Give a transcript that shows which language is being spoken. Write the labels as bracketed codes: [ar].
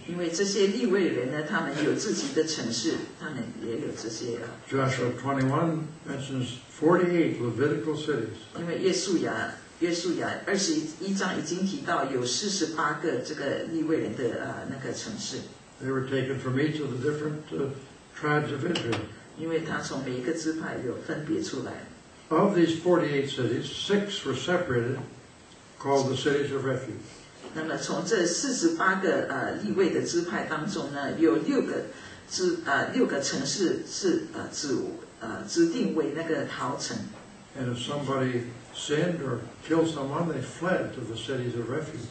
[zh] 因为这些利未人呢，他们有自己的城市，他们也有这些。 [en] Joshua 21 mentions 48 Levitical cities. [zh] 因为约书亚二十一章已经提到有四十八个这个利未人的那个城市。 [en] They were taken from each of the different tribes of Israel. [zh] 因为他从每一个支派有分别出来。 [en] Of these 48 cities, six were separated, called the cities of refuge. [zh] 那么从这四十八个立位的支派当中呢，有六个城市是指定为那个逃城。 [en] And if somebody sinned or killed someone, they fled to the cities of refuge.